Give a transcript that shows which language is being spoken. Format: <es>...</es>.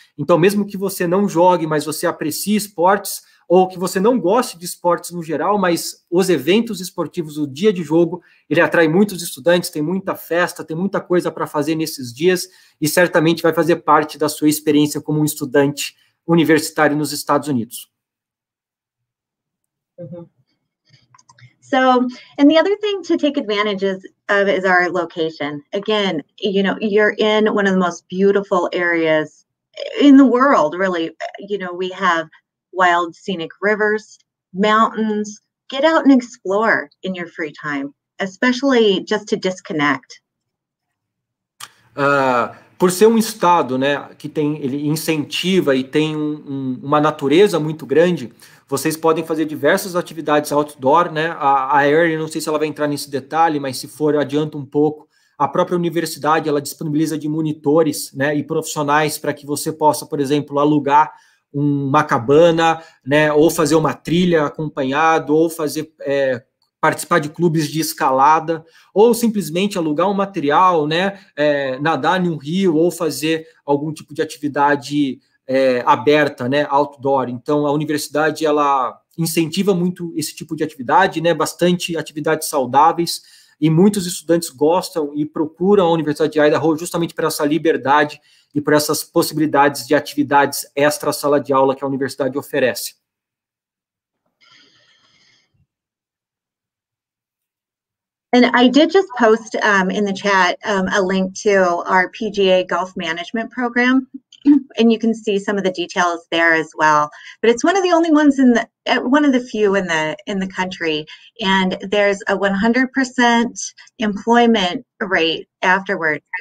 <pt>Então, mesmo que você não jogue, mas você aprecie esportes, ou que você não goste de esportes no geral, mas os eventos esportivos, o dia de jogo, ele atrai muitos estudantes, tem muita festa, tem muita coisa para fazer nesses dias, e certamente vai fazer parte da sua experiência como um estudante universitário nos Estados Unidos.</pt> <en>So, and the other thing to take advantage of is our location. Again, you know, you're in one of the most beautiful areas in the world, really. You know, we have wild scenic rivers, mountains. Get out and explore in your free time, especially just to disconnect.</en> <pt>Por ser um estado, né, que tem, ele incentiva e tem uma natureza muito grande, vocês podem fazer diversas atividades outdoor, né? A Erin, não sei se ela vai entrar nesse detalhe, mas se for, adianta um pouco. A própria universidade, ela disponibiliza de monitores, né, e profissionais para que você possa, por exemplo, alugar uma cabana, né, ou fazer uma trilha acompanhado, ou fazer participar de clubes de escalada, ou simplesmente alugar um material, né, nadar em um rio, ou fazer algum tipo de atividade aberta, né, outdoor. Então, a universidade, ela incentiva muito esse tipo de atividade, né, bastante atividades saudáveis, e muitos estudantes gostam e procuram a Universidade de Idaho justamente por essa liberdade e por essas possibilidades de atividades extra sala de aula que a universidade oferece.</pt> <en>And I did just post in the chat a link to our PGA Golf Management Program, and you can see some of the details there as well. But it's one of the only ones one of the few in the country, and there's a 100% employment rate afterwards.</en>